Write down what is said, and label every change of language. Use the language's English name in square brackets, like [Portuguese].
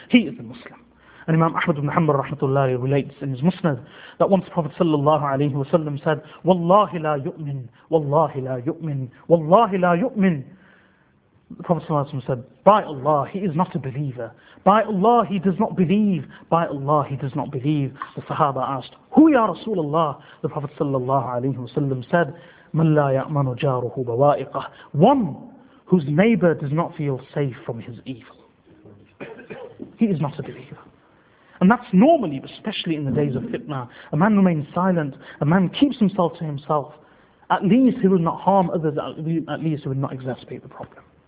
[English] He is the Muslim. And Imam Ahmad ibn Hanbal rahmatullahi relates in his Musnad that once Prophet sallallahu alayhi wa sallam said, [Arabic] wallahi la yu'min, wallahi la yu'min, wallahi la yu'min. [English] The Prophet ﷺ said, by Allah, he is not a believer. By Allah, he does not believe. By Allah, he does not believe. The Sahaba asked, who, ya Rasulullah? The Prophet ﷺ said, [Arabic] مَنْ لَا يَأْمَنُ جَارُهُ بَوَائِقَهُ. [English] One whose neighbor does not feel safe from his evil. He is not a believer. And that's normally, especially in the days of fitna, a man remains silent, a man keeps himself to himself. At least he will not harm others, at least he will not exacerbate the problem.